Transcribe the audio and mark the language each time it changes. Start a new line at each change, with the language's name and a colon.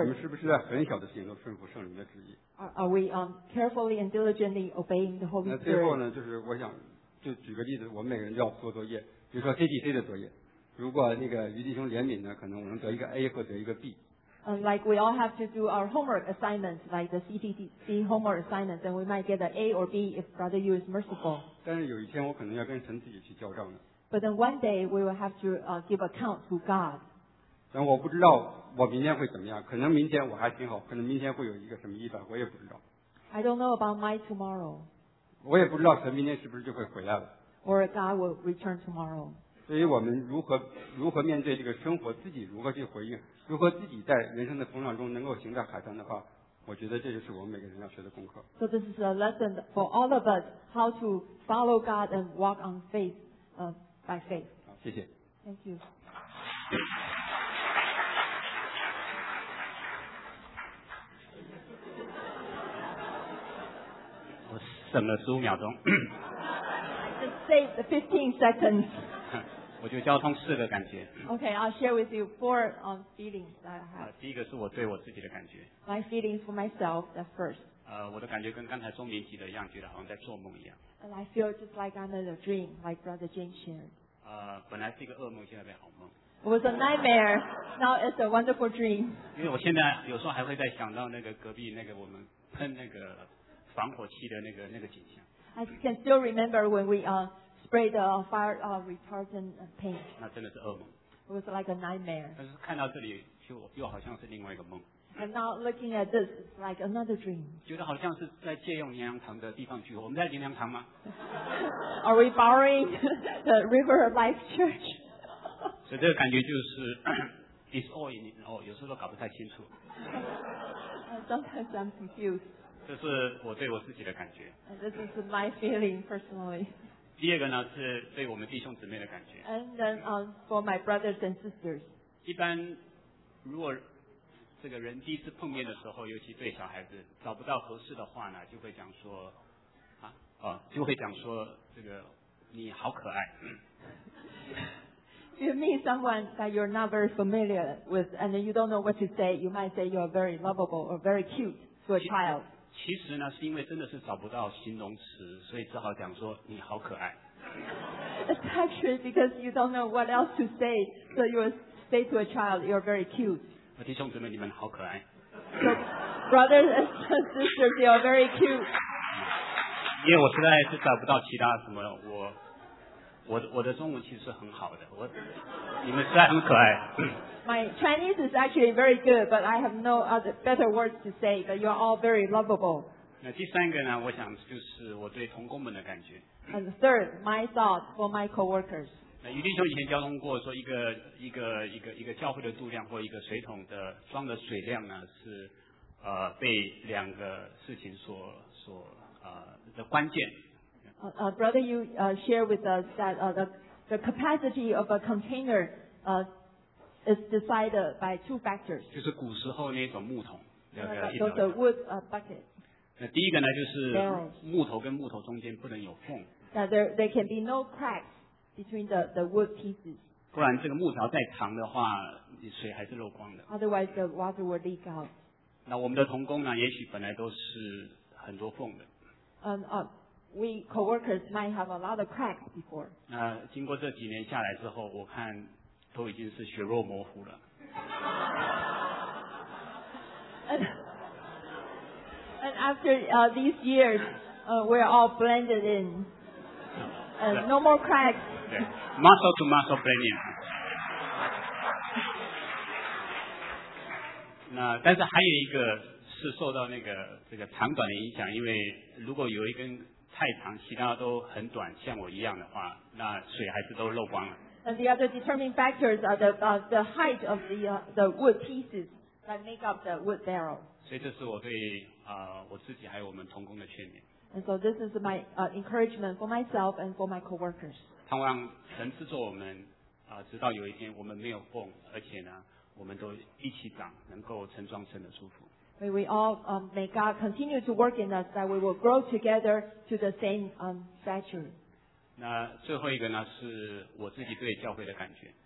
Chinese: 我们是不是在很小的事情都顺服圣灵的旨意？
English: Are we carefully and diligently obeying the Holy Spirit?
Chinese: 那最后呢，就是我想就举个例子，我们每个人就要做作业。比如说 JDC 的作业，如果那个余弟兄怜悯呢，可能我能得一个 A 或得一个 B。
English: Like we all have to do our homework assignments, like the CTC homework assignments, and we might get an A or B if Brother Yu is merciful.
Chinese: 但是有一天我可能要跟神自己去交账呢。
English: But then one day we will have to give account to God.
Chinese: 但我不知道我明天会怎么样，可能明天我还挺好，可能明天会有一个什么意外，我也不知道。
English: I don't know about my tomorrow.
Chinese: 我也不知道神明天是不是就会回来了。
English: Or God will return tomorrow.
Chinese: 所以我们如何面对这个生活，自己如何去回应，如何自己在人生的风浪中能够行在海上的话，我觉得这就是我们每个人要学的功课。
English: So this is a lesson for all of us, how to follow God and walk on faith, by faith.
Chinese: 好，谢谢。
English: Thank you.
Chinese: 我省了15秒钟。
English: Save the 15 seconds.
Chinese: 我就交通四个感觉。
English: Okay, I'll share with you four feelings that I have.
Chinese: 第一个是我对我自己的感觉。
English: My feelings for myself, the first.
Chinese: 我的感觉跟刚才钟明提的一样，觉得好像在做梦一样。
English: And I feel just like I'm in a dream, like Brother Jane shared.
Chinese: 本来是一个噩梦，现在变好梦。
English: It was a nightmare, now it's a wonderful dream.
Chinese: 因为我现在有时候还会在想到那个隔壁那个我们喷那个防火漆的那个景象。
English: I can still remember when we sprayed the fire retardant paint.
Chinese: 那真的是噩梦。
English: It was like a nightmare.
Chinese: 但是看到这里又好像是另外一个梦。
English: And now looking at this, it's like another dream.
Chinese: 觉得好像是在借用娘娘堂的地方聚会。我们在娘娘堂吗？
English: Are we borrowing the River of Life Church?
Chinese: 所以这个感觉就是
English: it's all in all,
Chinese: 有时候都搞不太清楚。
English: Sometimes I'm confused.
Chinese: 这是我对我自己的感觉。
English: This is my feeling personally.
Chinese: 第二个呢是对我们弟兄姊妹的感觉。
English: And then for my brothers and sisters.
Chinese: 一般如果这个人第一次碰面的时候，尤其对小孩子找不到合适的话呢，就会讲说就会讲说这个你好可爱。
English: If you meet someone that you're not very familiar with and you don't know what to say, you might say you're very lovable or very cute to a child.
Chinese: 其实呢，是因为真的是找不到形容词，所以只好讲说你好可爱。
English: It's actually because you don't know what else to say, so you say to a child, you're very cute.
Chinese: 弟兄姊妹，你们好可爱。
English: So, brothers and sisters, you're very cute.
Chinese: 因为我实在是找不到其他什么，我的中文其实是很好的，我。你们实在很可爱。
English: My Chinese is actually very good, but I have no other better words to say. But you are all very lovable.
Chinese: 那第三个呢？我想就是我对同工们的感觉。
English: And third, my thoughts for my coworkers.
Chinese: 那余弟兄以前交通过说一个教会的度量或一个水桶的装的水量呢是被两个事情所的关键。
English: Brother, you shared with us that the capacity of a container is decided by two factors.
Chinese: 就是古时候那种木桶，
English: those are wood bucket.
Chinese: 那第一个呢，就是木头跟木头中间不能有缝。
English: Now there can be no cracks between the wood pieces.
Chinese: 不然这个木条再长的话，水还是漏光的。
English: Otherwise, the water would leak out.
Chinese: 那我们的同工呢，也许本来都是很多缝的。
English: We coworkers might have a lot of cracks before.
Chinese: 那经过这几年下来之后，我看都已经是血肉模糊了。
English: And after these years, we're all blended in. No more cracks. Yeah. Muscle to muscle blending.
Chinese: 那但是还有一个是受到那个这个长短的影响，因为如果有一根太长，其他都很短，像我一样的话，那水还是都漏光了。
English: And the other determining factors are the height of the wood pieces that make up the wood barrel.
Chinese: 所以这是我对我自己还有我们同工的劝勉。
English: And so this is my encouragement for myself and for my coworkers.
Chinese: 盼望神赐给我们直到有一天我们没有缝，而且呢，我们都一起长，能够成双成的祝福。
English: May we all may God continue to work in us that we will grow together to the same stature.
Chinese: 那最后一个呢是我自己对教会的感觉。